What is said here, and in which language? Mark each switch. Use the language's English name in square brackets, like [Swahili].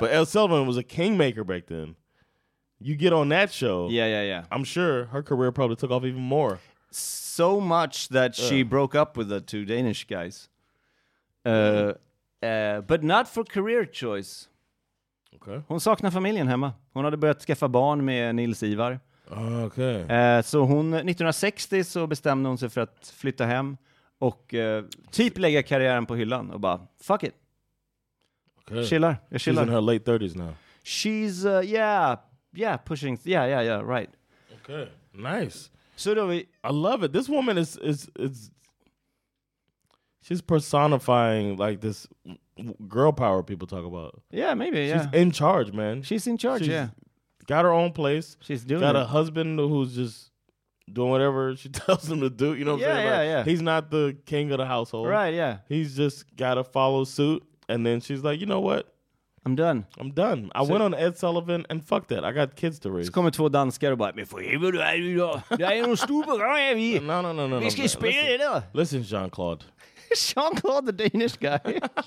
[English] But Ed Sullivan was a kingmaker back then. You get on that show. Yeah, yeah, yeah. I'm sure her career probably took off even more. So much that she broke up with the two Danish guys. But not for career choice. Okay. [Swedish] Hon saknar familjen hemma. Hon hade börjat skaffa barn med Nils Ivar. [English] Okay. [Swedish] Så hon 1960 så bestämde hon sig för att flytta hem och typ lägga karriären på hyllan och bara [English] fuck it. Okay. [Swedish] Chillar. Jag chillar. [English] She's in her late 30s now. She's yeah, pushing. Yeah, yeah, yeah, right. Okay. Nice. So do we, I love it. This woman is she's personifying like this girl power people talk about. Yeah, maybe, she's yeah. She's in charge, man. She's in charge, she's, yeah. Got her own place. She's doing got it. A husband who's just doing whatever she tells him to do. You know what yeah, I'm saying? Yeah, yeah, like, yeah. He's not the king of the household. Right, yeah. He's just got to follow suit. And then she's like, you know what? I'm done. I went on Ed Sullivan and fuck that. I got kids to raise. [Swedish] Så kommer två danskar och bara, men för helvete, jag är någon stor på grann här. [English] No. [Swedish] Vi ska spela det då. [English] Listen, Jean-Claude. Jean-Claude, the Danish guy.